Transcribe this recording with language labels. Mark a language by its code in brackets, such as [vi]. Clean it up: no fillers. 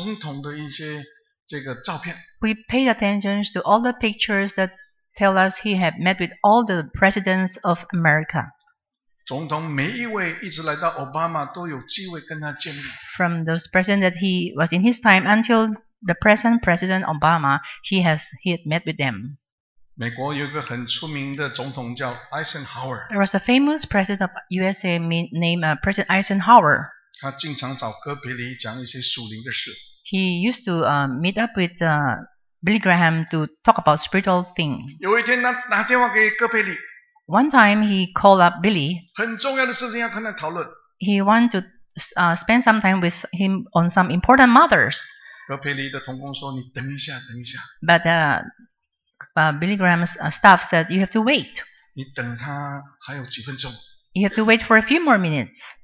[zh] 尤其最值得我们花一点时间的，就是他跟总统的一些这个照片。 [en] We paid attention to all the pictures that tell us he had met with all the presidents of America. [zh] 总统每一位一直来到奥巴马都有机会跟他见面。 [en] From those presidents that he was in his time until the present President Obama, he had met with them. [zh] 美国有一个很出名的总统叫Eisenhower。 [en] There was a famous president of USA named President Eisenhower. [zh] 他经常找哥培里讲一些属灵的事。 [en] He used to meet up with Billy Graham to talk about spiritual things. [zh] 有一天他打电话给哥培里。 [en] One time he called up Billy. [zh] 很重要的事情要跟他讨论。 [en] He wanted to spend some time with him on some important matters. [zh] 哥培里的同工说：“你等一下，等一下。” [en] But Billy Graham's staff said, "You have to wait." [zh] 你等他还有几分钟。 [en] You have to wait for a few more minutes.